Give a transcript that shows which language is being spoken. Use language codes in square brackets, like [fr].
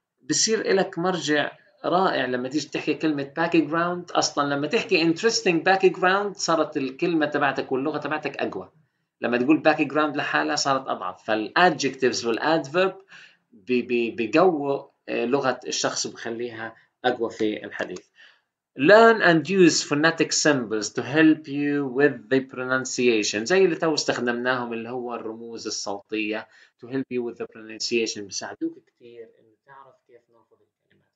[ar] بصير إلك مرجع رائع لما تيجي تحكي كلمة background. أصلاً لما تحكي interesting background صارت الكلمة تبعتك واللغة تبعتك أقوى. لما تقول background لحالها صارت أضعف. فالadjectives والadverb بيقووا لغة الشخص وبخليها أقوى في الحديث. [en] Learn and use phonetic symbols to help you with the pronunciation. [ar] زي اللي تو استخدمناهم اللي هو الرموز الصوتية [en] to help you with the pronunciation، [ar] بيساعدوك كتير إنه تعرف كيف ناخذ الكلمات.